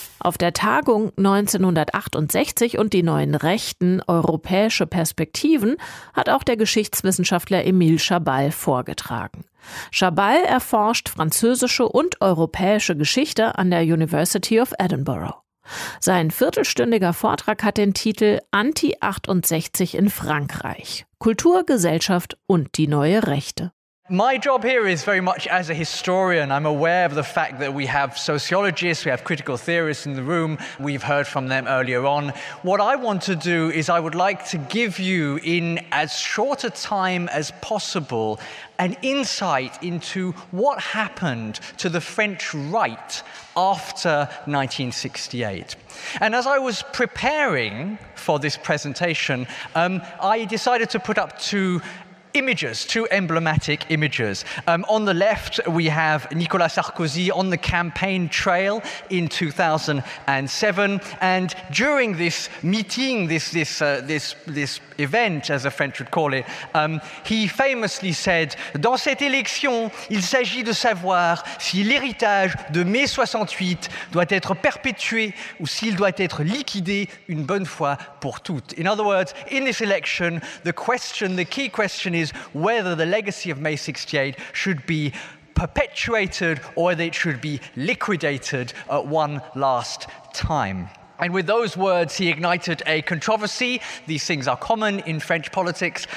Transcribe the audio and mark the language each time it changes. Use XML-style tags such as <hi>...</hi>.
<de>Auf der Tagung 1968 und die neuen Rechten, europäische Perspektiven, hat auch der Geschichtswissenschaftler Emile Chabal vorgetragen. Chabal erforscht französische und europäische Geschichte an der University of Edinburgh. Sein viertelstündiger Vortrag hat den Titel Anti-68 in Frankreich – Kultur, Gesellschaft und die neue Rechte.</de> <en>My job here is very much as a historian. I'm aware of the fact that we have sociologists, we have critical theorists in the room. We've heard from them earlier on. What I want to do is I would like to give you in as short a time as possible an insight into what happened to the French right after 1968. And as I was preparing for this presentation, I decided to put up two emblematic images. On the left, we have Nicolas Sarkozy on the campaign trail in 2007. And during this meeting, this event, as the French would call it, he famously said,</en> <fr>"Dans cette élection, il s'agit de savoir si l'héritage de mai 68 doit être perpétué ou s'il doit être liquidé une bonne fois pour toutes."</fr> <en>In other words, in this election, the key question is whether the legacy of May 68 should be perpetuated or whether it should be liquidated at one last time. And with those words, he ignited a controversy. These things are common in French politics.</en>